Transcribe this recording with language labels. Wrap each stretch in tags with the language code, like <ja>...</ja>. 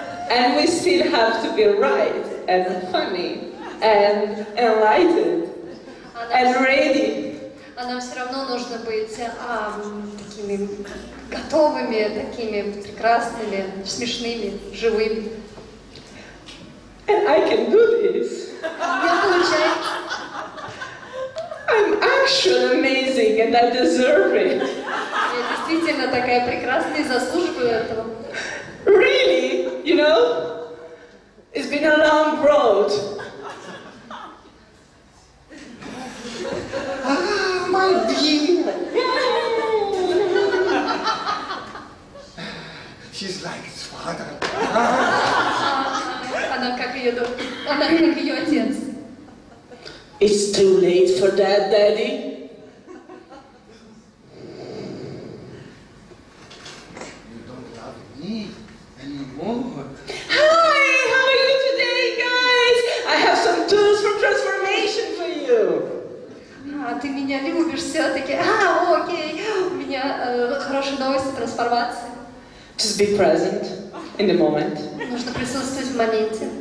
<en>And we still have to be right and funny and enlightened and ready.</en> <ru>А нам все равно нужно быть такими готовыми, такими прекрасными, смешными, живыми.</ru> <en>And I can do this. I'm actually amazing and I deserve it.</en> <ru>Я действительно такая прекрасная и заслуживаю этого.</ru> <en>Really? You know? It's been a long road. My dear. She's like his father.</en> <ru>Она как ее отец.</ru> <en>It's too late for that, Daddy. You don't love me anymore. Hi, how are you today, guys? I have some tools for transformation for you.</en> <ru>А ты меня любишь все-таки? А, окей. У меня хорошая новость о трансформации.</ru> <en>Just be present in the moment.</en> <ru>Нужно присутствовать в моменте.</ru>